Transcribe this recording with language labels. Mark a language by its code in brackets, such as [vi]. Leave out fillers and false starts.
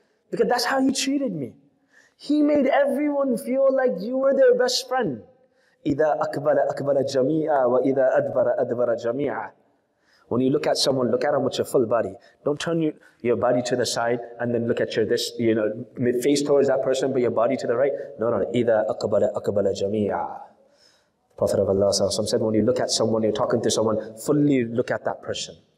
[en] Because that's how he treated me. He made everyone feel like you were their best friend. [ar] إِذَا أَكْبَلَ أَكْبَلَ جَمِيعًا وَإِذَا أَدْبَرَ أَدْبَرَ جَمِيعًا. [en] When you look at someone, look at them with your full body. Don't turn your body to the side and then look at face towards that person, but your body to the right. No. [ar] إِذَا أَقْبَلَ أَقْبَلَ جَمِيعًا. [en] Prophet of Allah said, when you look at someone, you're talking to someone, fully look at that person.